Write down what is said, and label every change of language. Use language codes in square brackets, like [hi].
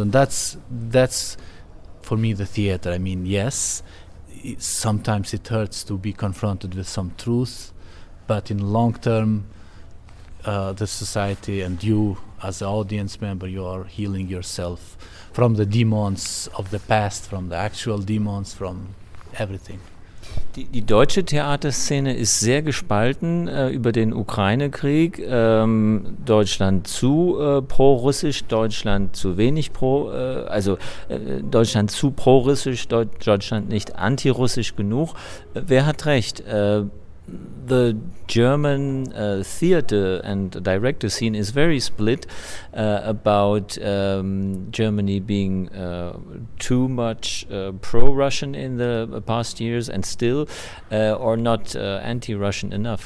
[en] And that's for me, the theater. I mean, yes, sometimes it hurts to be confronted with some truth, but in long term, the society and you as an audience member, you are healing yourself from the demons of the past, from the actual demons, from everything. [de] Die deutsche Theaterszene ist sehr gespalten über den Ukraine-Krieg. Deutschland zu pro-russisch, Deutschland zu wenig pro, Deutschland zu pro-russisch, Deutschland nicht anti-russisch genug. Wer hat recht? [en] The German theater and director scene is very split about Germany being too much pro-Russian in the past years and still, or not anti-Russian enough.